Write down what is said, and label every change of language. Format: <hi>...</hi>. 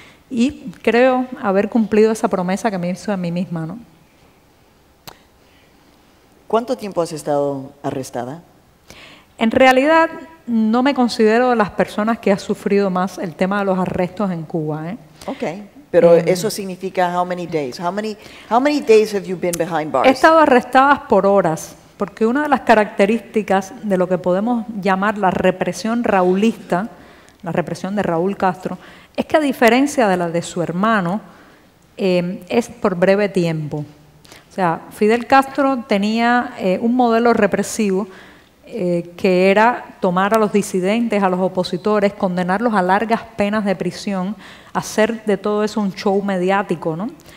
<es>Y creo haber cumplido esa promesa que me hizo a mí misma, ¿no? ¿Cuánto tiempo has estado arrestada? En realidad, no me considero de las personas que ha sufrido más el tema de los arrestos en Cuba, ¿eh?</es> <en>Okay.</en> <es>Pero eso significa</es> <en>how many days? How many days have you been behind bars?</en> <es>He estado arrestada por horas. Porque una de las características de lo que podemos llamar la represión raulista, la represión de Raúl Castro, es que a diferencia de la de su hermano, es por breve tiempo. O sea, Fidel Castro tenía un modelo represivo que era tomar a los disidentes, a los opositores, condenarlos a largas penas de prisión, hacer de todo eso un show mediático, ¿no?</es>